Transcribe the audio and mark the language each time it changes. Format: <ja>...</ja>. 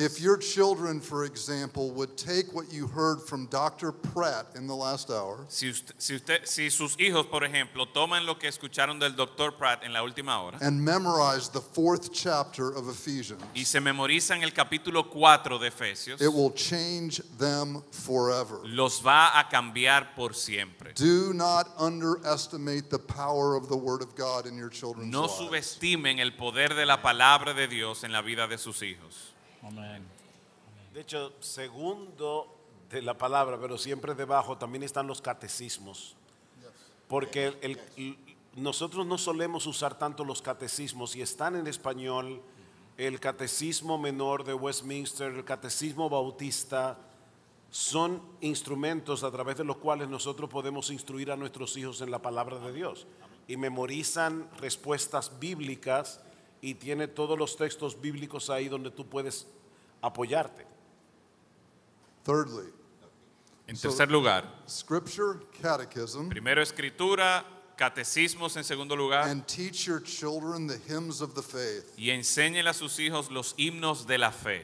<en>If your children, for example, would take what you heard from Dr. Pratt in the last hour.</en> <es>Si sus hijos, por ejemplo, toman lo que escucharon del Dr. Pratt en la última hora.</es> <en>And memorize the fourth chapter of Ephesians.</en> <es>Y se memorizan el capítulo 4 de Efesios.</es> <en>It will change them forever.</en> <es>Los va a cambiar por siempre.</es> <en>Do not underestimate the power of the word of God in your children's lives.</en> <es>No subestimen el poder de la palabra de Dios en la vida de sus hijos.</es> <en>Amen.</en> <es>De hecho, segundo de la palabra, pero siempre debajo, también están los catecismos. Porque nosotros no solemos usar tanto los catecismos y están en español el catecismo menor de Westminster, el catecismo bautista. Son instrumentos a través de los cuales nosotros podemos instruir a nuestros hijos en la palabra de Dios. Y memorizan respuestas bíblicas y tiene todos los textos bíblicos ahí donde tú puedes apoyarte.</es> <en>Thirdly,</en> <es>en tercer lugar,</es> <en>scripture, catechism,</en> <es>primero escritura, catecismos en segundo lugar,</es> <en>and teach your children the hymns of the faith.</en> <es>Y enséñele a sus hijos los himnos de la fe.</es>